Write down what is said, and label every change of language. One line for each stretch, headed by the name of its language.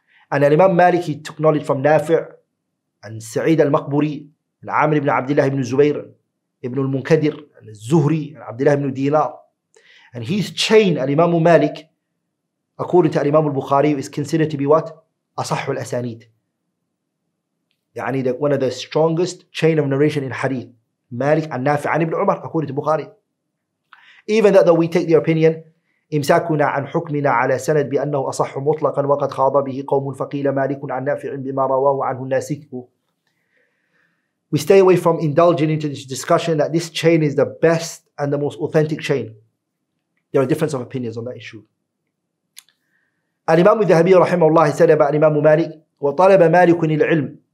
English: And Imam Malik, he took knowledge from Nafi' and Sa'id al-Maqburi and Amr ibn Abdullah ibn Zubayr ibn al-Munkadir and al-Zuhri and Abdullah ibn Dinar. And his chain, Imam Malik, according to Imam al-Bukhari, is considered to be what? Asahhu al-Asanid. One of the strongest chain of narration in Hadith. Malik and Nafi' and Ibn Umar, according to Bukhari. Even though we take the opinion,
Arabic: إمساكنا عن حكمنا على سند بأنه أصح مطلقا وقد خاض به قوم فقيل مالك عن نافع بما رواه عنه الناسك.
English: We stay away from indulging into this discussion that this chain is the best and the most authentic chain. There are differences of opinions on that issue.
Arabic: الإمام الذهبي رحمه الله
English: said about
Arabic: الإمام مالك وطلب مالك العلم.